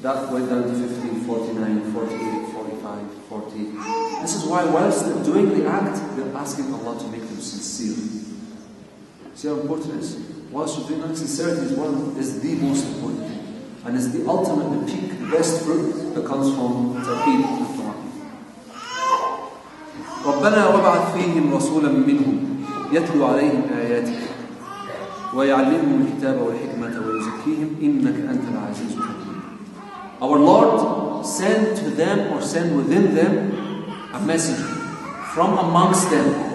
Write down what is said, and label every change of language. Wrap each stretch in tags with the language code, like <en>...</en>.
<en>That went down to 50, 49, 48, 45, 40. This is why whilst they're doing the act, they're asking Allah to make them sincere. See how important it is? Whilst you're doing that, sincerity is the most important thing. And is the ultimate, the peak, the best fruit that comes from tawheed.</en> <ar>ربنا وابعث فيهم رسولا منهم يتلو عليهم آياتك ويعلمهم الكتاب والحكمة ويزكيهم إنك أنت العزيز الحكيم.</ar> <en>Our Lord, send to them or send within them a messenger from amongst them.</en>